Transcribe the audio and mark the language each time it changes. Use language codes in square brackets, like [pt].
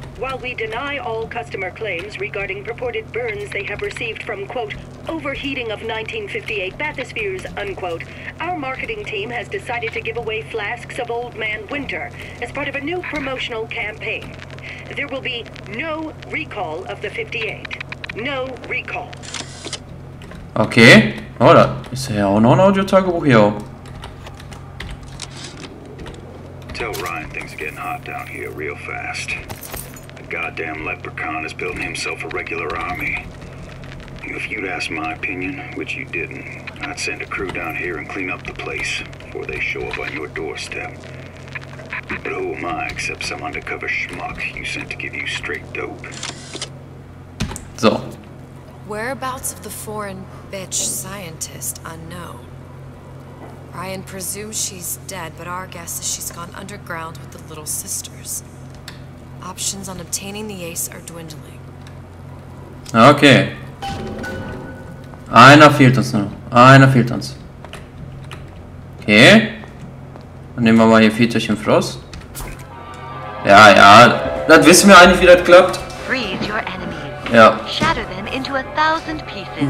[en] While we deny all customer claims regarding purported burns they have received from, quote, overheating of 1958 bathyspheres, unquote, our marketing team has decided to give away flasks of Old Man Winter as part of a new promotional campaign. There will be no recall of the 58. No recall. Okay. [de] Oh, da ist ja auch noch ein Audio-Tagebuch hier. [en] Tell Ryan things are getting hot down here real fast. The goddamn leprechaun is building himself a regular army. If you'd ask my opinion, which you didn't, I'd send a crew down here and clean up the place before they show up on your doorstep. But who am I except some undercover schmuck you sent to give you straight dope? So. Whereabouts of the foreign bitch scientist unknown. Ryan presumes she's dead, but our guess is she's gone underground with the little sisters. Options on obtaining the ace are dwindling. [de] Okay. Einer fehlt uns noch. Einer fehlt uns. Okay. Dann nehmen wir mal hier Väterchen Frost. Ja, ja. Das wissen wir eigentlich, wie das klappt. [en] Freeze your enemies. [de] Ja. [en] Shatter them into a thousand pieces.